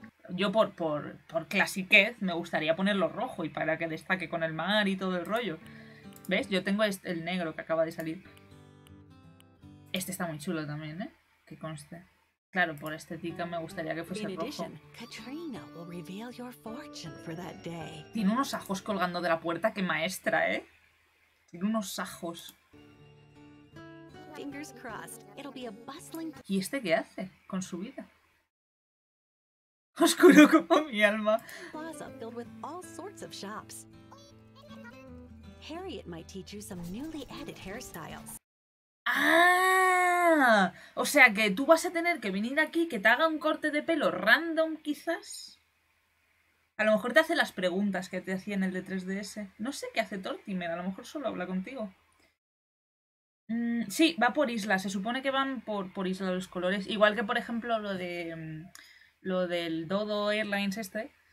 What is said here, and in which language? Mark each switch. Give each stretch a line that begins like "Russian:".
Spanish: Yo por clasiquez me gustaría ponerlo rojo y para que destaque con el mar y todo el rollo. ¿Ves? Yo tengo el negro que acaba de salir. Este está muy chulo también, ¿eh? Que conste. Claro, por estética me gustaría que fuese rojo.
English: Katrina will reveal your fortune for that day.
Spanish: Tiene unos ajos colgando de la puerta, qué maestra, ¿eh? Tiene unos ajos.
English: Fingers crossed. It'll be a bustling...
Spanish: ¿Y este qué hace con su vida? Oscuro como mi alma.
English: Plaza filled with all sorts of shops. Harriet might teach you some newly added hairstyles. ¡Ah!
Spanish: O sea que tú vas a tener que venir aquí, que te haga un corte de pelo random, quizás. A lo mejor te hace las preguntas que te hacía en el de 3DS. No sé qué hace Tortimer, a lo mejor solo habla contigo. Sí, va por islas. Se supone que van por islas los colores. Igual que, por ejemplo, lo del Dodo Airlines este.